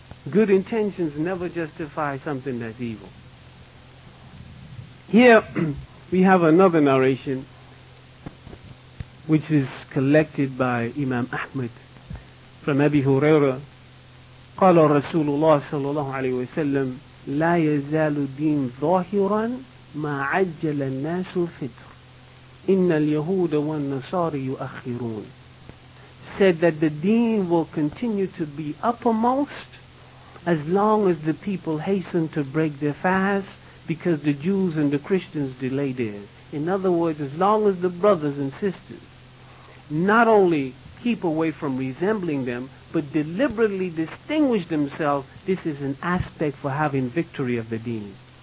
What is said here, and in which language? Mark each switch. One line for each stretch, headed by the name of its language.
English: Good intentions never justify something that's evil. Here we have another narration which is collected by Imam Ahmad from Abi Huraira.
Arabic: قال رسول الله صلى الله عليه وسلم لا يزال الدين ظاهرا ما عجل الناس الفطر إن اليهود والنصارى يؤخرون.
English: Said that the deen will continue to be uppermost as long as the people hasten to break their fast, because the Jews and the Christians delay theirs. In other words, as long as the brothers and sisters not only keep away from resembling them, but deliberately distinguish themselves, this is an aspect for having victory of the deen.